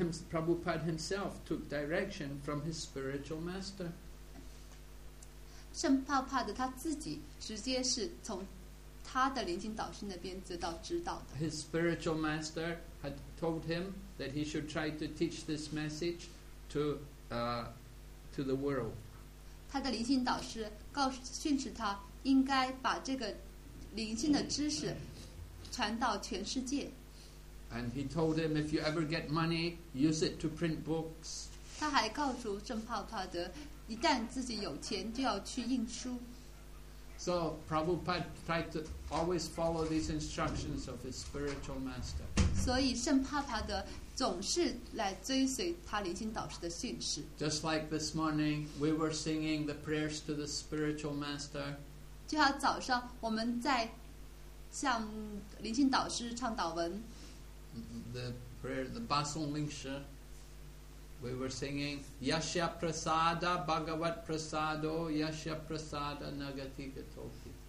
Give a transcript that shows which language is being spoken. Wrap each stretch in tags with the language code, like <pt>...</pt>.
<en>Prabhupada himself took direction from his spiritual master.</en> <zh>圣帕帕德他自己直接是从他的灵性导师那边得到指导的。</zh> <en>His spiritual master had told him that he should try to teach this message to the world.</en> <zh>他的灵性导师训斥他应该把这个灵性的知识传到全世界。</zh> <en>And he told him, if you ever get money, use it to print books.</en> <zh>他还告诉圣帕帕德，一旦自己有钱，就要去印书。</zh> <en>So Prabhupada tried to always follow these instructions of his spiritual master.</en> <zh>所以圣帕帕德总是来追随他灵性导师的训示。</zh> <en>Just like this morning, we were singing the prayers to the spiritual master.</en> <zh>就像早上我们在向灵性导师唱祷文。</zh> <en>The prayer, the Basong Lingsha, we were singing</en> <sa>Yashya Prasada Bhagavat Prasado Yashya Prasada Nagati Gatoki.</sa>